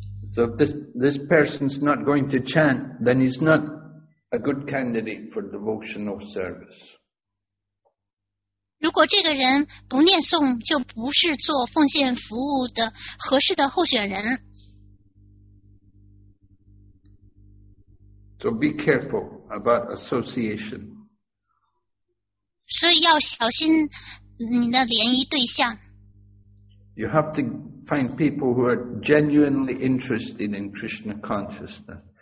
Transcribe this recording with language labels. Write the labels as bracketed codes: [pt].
[en] So if this person's not going to chant, then he's not a good candidate for devotional service. [zh] 如果这个人不念诵，就不是做奉献服务的合适的候选人。 [en] So be careful about association. [zh] 所以要小心你的联谊对象。 [en] You have to find people who are genuinely interested in Krishna consciousness.